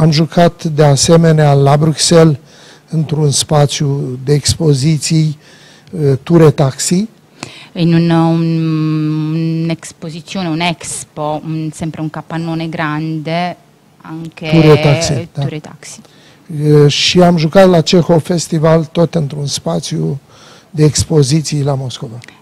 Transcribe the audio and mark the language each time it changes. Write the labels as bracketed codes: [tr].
[ro] Am jucat de asemenea la Bruxelles, într-un spațiu de expoziții, ture taxi. [it] In un'esposizione, un expo, sempre un capannone grande, [ro] Ture taxi, [it] anche [ro] da. [it] tour taxi. [ro] Și am jucat la Cehov Festival, tot într-un spațiu de expoziții la Moscova.